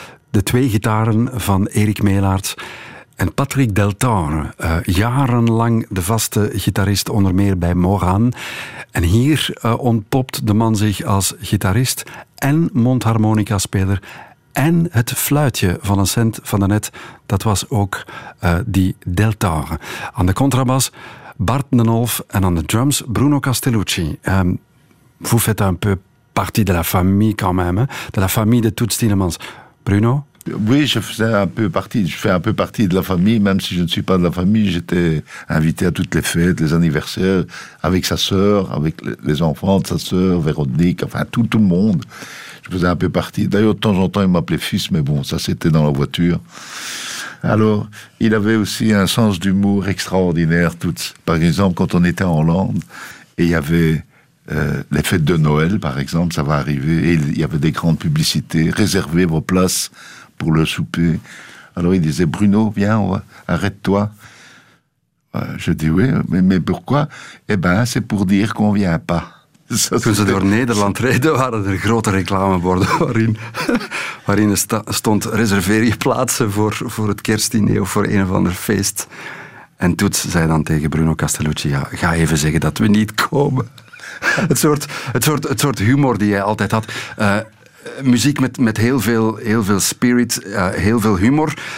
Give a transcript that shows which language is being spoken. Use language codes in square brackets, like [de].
[nl] De twee gitaren van Erik Melaert en Patrick Deltaure, jarenlang de vaste gitarist onder meer bij Moran. En hier ontpopt de man zich als gitarist en mondharmonica-speler. En het fluitje van een cent van daarnet, dat was ook die Deltaure. Aan de contrabas, Bart den Olf en aan de drums, Bruno Castellucci. [fr] Vous faites un peu partie de la famille quand même, hein? De la famille de Toets Tielemans. Bruno? Oui, je fais un peu partie de la famille, même si je ne suis pas de la famille. J'étais invité à toutes les fêtes, les anniversaires, avec sa sœur, avec les enfants de sa sœur, Véronique, enfin tout le monde. Je faisais un peu partie. D'ailleurs, de temps en temps, il m'appelait fils, mais bon, ça, c'était dans la voiture. Alors, il avait aussi un sens d'humour extraordinaire. Par exemple, quand on était en Hollande, et il y avait les fêtes de Noël, par exemple, ça va arriver, et il y avait des grandes publicités, réservez vos places pour le souper. Alors, il disait, Bruno, viens, arrête-toi. Je dis, oui, mais pourquoi? Eh ben, c'est pour dire qu'on vient pas. [nl] Toen ze door Nederland reden, waren er grote reclameborden waarin stond reserveer je plaatsen voor het kerstdiner of voor een of ander feest. En Toets zei dan tegen Bruno Castellucci, ja, ga even zeggen dat we niet komen. Het soort humor die jij altijd had. Muziek met heel veel spirit, heel veel humor.